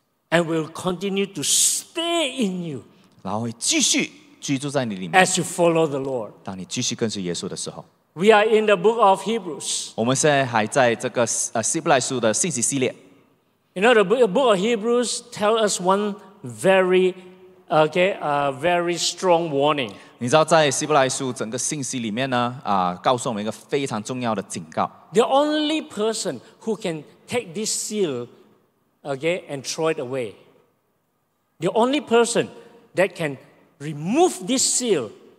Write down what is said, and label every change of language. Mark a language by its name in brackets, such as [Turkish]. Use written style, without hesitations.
[English] and will continue to stay in you. [Chinese] 然后会继续居住在你里面， [English] as you follow the Lord. [Chinese] 当你继续跟随耶稣的时候， [English] we are in the book of Hebrews. [Chinese] 我们现在还在这个 希伯来书的信息系列。 [English] You know, the book of Hebrews tells us one very very strong warning. [Chinese] 你知道在希伯来书整个信息里面呢，告诉我们一个非常重要的警告。 [English] The only person who can take this seal, and throw it away. The only person that can remove this seal.